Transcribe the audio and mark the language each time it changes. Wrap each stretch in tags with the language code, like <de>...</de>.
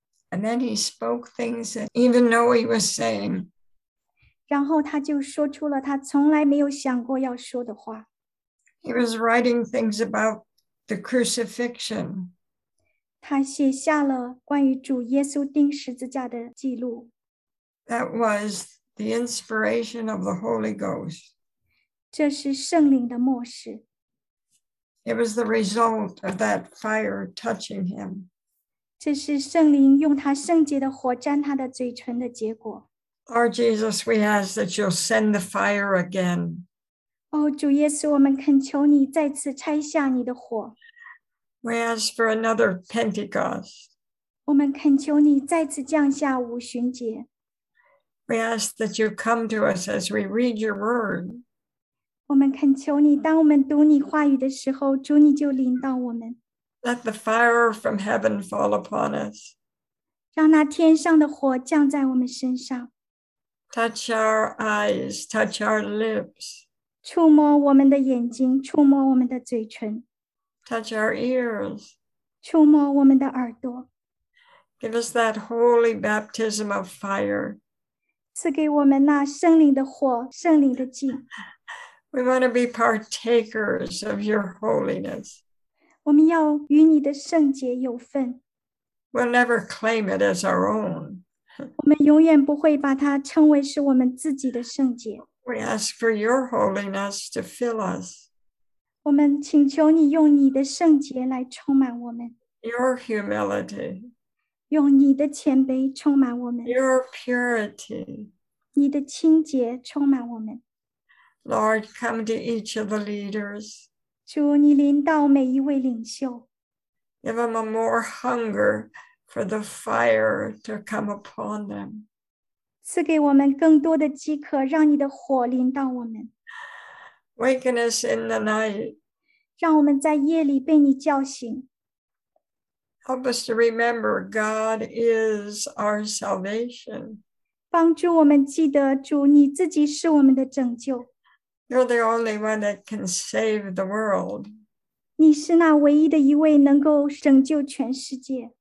<en>And then he spoke things that even Noah was saying.</en> <zh>然后他就说出了他从来没有想过要说的话。</zh> <en>He was writing things about the crucifixion.</en> <zh>他写下了关于主耶稣钉十字架的记录。</zh> <en>That was the inspiration of the Holy Ghost.</en> <zh>这是圣灵的默示。</zh> <en>It was the result of that fire touching him.</en> <zh>这是圣灵用他圣洁的火沾他的嘴唇的结果。</zh> <en>Lord Jesus, we ask that you'll send the fire again.</en> <zh>哦，主耶稣，我们恳求你再次拆下你的火。</zh> <en>We ask for another Pentecost.</en> <zh>我们恳求你再次降下五旬节。</zh> <en>We ask that you come to us as we read your word.</en> <zh>我们恳求你，当我们读你话语的时候，主你就临到我们。</zh> <en>Let the fire from heaven fall upon us.</en> <zh>让那天上的火降在我们身上。</zh> <en>Touch our eyes, touch our lips.</en> <zh>触摸我们的眼睛，触摸我们的嘴唇。</zh> <en>Touch our ears.</en> <zh>触摸我们的耳朵。</zh> <en>Give us that holy baptism of fire.</en> <zh>赐给我们那圣灵的火，圣灵的祭。</zh> <en>We want to be partakers of your holiness.</en> <zh>我们要与你的圣洁有份。</zh> <en>We'll never claim it as our own.</en> <zh>我们永远不会把它称为是我们自己的圣洁。</zh> <en>We ask for your holiness to fill us.</en> <zh>我们请求你用你的圣洁来充满我们。</zh> <en>Your humility.</en> <zh>用你的谦卑充满我们。</zh> <en>Your purity.</en> <zh>你的清洁充满我们。</zh> <en>Lord, come to each of the leaders.</en> <zh>主，你临到每一位领袖。</zh> <en>Give them a more hunger for the fire to come upon them.</en> <zh>赐给我们更多的饥渴，让你的火临到我们。</zh> <en>Waken us in the night.</en> <zh>让我们在夜里被你叫醒。</zh> <en>Help us to remember God is our salvation.</en> <zh>帮助我们记得主，你自己是我们的拯救。</zh> <en>You're the only one that can save the world.</en> <zh>你是那唯一的一位能够拯救全世界。</zh>